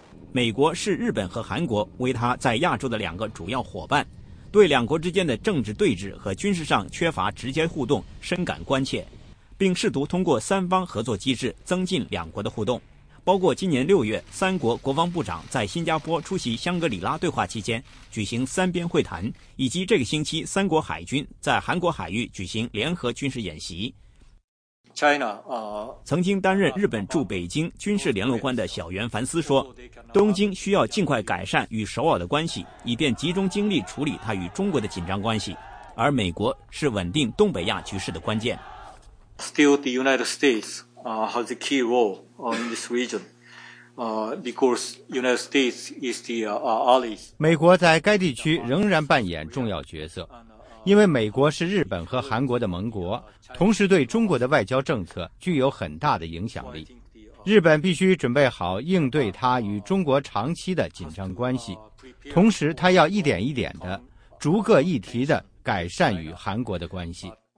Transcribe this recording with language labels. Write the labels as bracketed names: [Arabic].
[Chinese] 美国视日本和韩国为他在亚洲的两个主要伙伴，对两国之间的政治对峙和军事上缺乏直接互动深感关切，并试图通过三方合作机制增进两国的互动，包括今年六月三国国防部长在新加坡出席香格里拉对话期间举行三边会谈，以及这个星期三国海军在韩国海域举行联合军事演习。曾经担任日本驻北京军事联络官的小原凡司说，东京需要尽快改善与首尔的关系，以便集中精力处理它与中国的紧张关系，而美国是稳定东北亚局势的关键。 [English] Still, the United States has a key role in this region, because United States is the allies. [Chinese] 美国在该地区仍然扮演重要角色，因为美国是日本和韩国的盟国，同时对中国的外交政策具有很大的影响力。日本必须准备好应对它与中国长期的紧张关系，同时它要一点一点的、逐个议题的改善与韩国的关系。